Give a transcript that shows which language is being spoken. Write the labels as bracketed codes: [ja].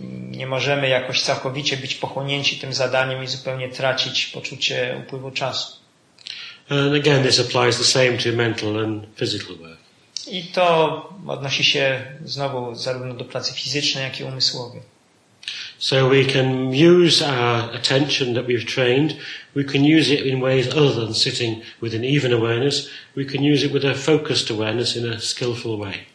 [pl] Nie możemy jakoś całkowicie być pochłonięci tym zadaniem i zupełnie tracić poczucie upływu czasu. [en] And again, this applies the same to mental and physical work. [pl] I to odnosi się znowu zarówno do pracy fizycznej, jak i umysłowej. [en] So we can use our attention that we've trained, we can use it in ways other than sitting with an even awareness, we can use it with a focused awareness in a skillful way.